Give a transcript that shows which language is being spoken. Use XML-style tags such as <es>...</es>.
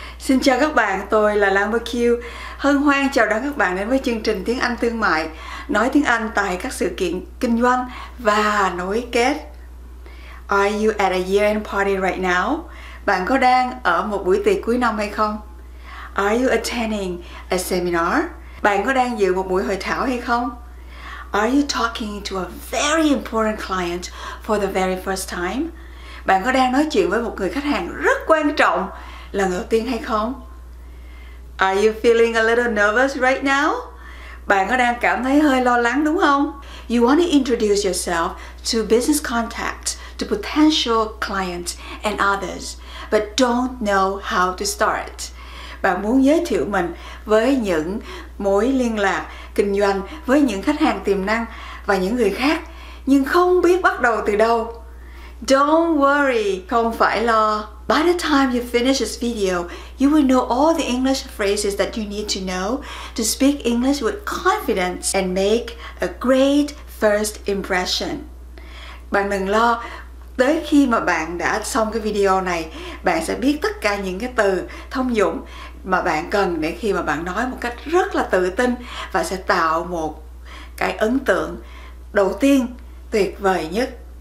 <vi>Xin chào các bạn, tôi là Lan Bercu. Hân hoan chào đón các bạn đến với chương trình Tiếng Anh Thương Mại, nói tiếng Anh tại các sự kiện kinh doanh và nối kết.</vi> <en>Are you at a year-end party right now?</en> <vi>Bạn có đang ở một buổi tiệc cuối năm hay không?</vi> <en>Are you attending a seminar?</en> <vi>Bạn có đang dự một buổi hội thảo hay không?</vi> <en>Are you talking to a very important client for the very first time?</en> <vi>Bạn có đang nói chuyện với một người khách hàng rất quan trọng lần đầu tiên hay không?</vi> <en>Are you feeling a little nervous right now?</en> <vi>Bạn có đang cảm thấy hơi lo lắng đúng không?</vi> <en>You want to introduce yourself to business contacts, to potential clients and others, but don't know how to start.</en> <vi>Bạn muốn giới thiệu mình với những mối liên lạc kinh doanh với những khách hàng tiềm năng và những người khác, nhưng không biết bắt đầu từ đâu.</vi> <en>Don't worry,</en> <vi>không phải lo.</vi> <en>By the time you finish this video, you will know all the English phrases that you need to know to speak English with confidence and make a great first impression.</en> <vi>Bạn đừng lo, tới khi mà bạn đã xong cái video này, bạn sẽ biết tất cả những cái từ thông dụng mà bạn cần để khi mà bạn nói một cách rất là tự tin và sẽ tạo một cái ấn tượng đầu tiên tuyệt vời nhất.</vi>